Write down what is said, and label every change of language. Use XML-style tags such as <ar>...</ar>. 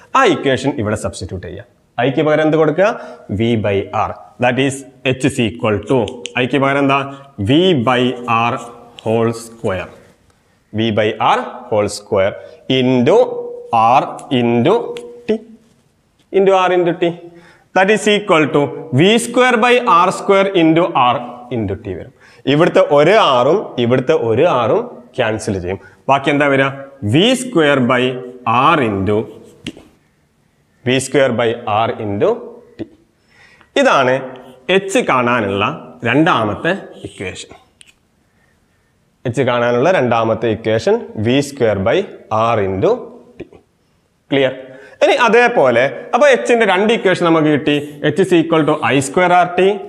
<ml>ആ ഇക്വേഷൻ ഇവിടെ സബ്സ്റ്റിറ്റ്യൂട്ട് ചെയ്യുക. ഐക്ക് പകരം എന്ത് കൊടുക്കുക? V by R.</ml> <en>that is H is equal to,</en> <ml>ഐക്ക് പകരം എന്താ,</ml> <en>V by R whole square. V by R whole square into R into T into R into T. That is equal to V square by R square into R into T.</en> <ml>ഇവിടുത്തെ ഒരു ആറും ഇവിടുത്തെ ഒരു ആറും cancel ചെയ്യും. ബാക്കി എന്താ വരിക?</ml> <en>V square by R into T. V square by R into T.</en> <ml>ഇതാണ് H കാണാനുള്ള രണ്ടാമത്തെ ഇക്വേഷൻ. H കാണാനുള്ള രണ്ടാമത്തെ equation</ml> <en>V square by R into T. Clear?</en> <ml>ഇനി അതേപോലെ അപ്പോൾ എച്ചിൻ്റെ രണ്ട് ഇക്വേഷൻ നമുക്ക് കിട്ടി.</ml> <en>H is equal to I square R T.</en>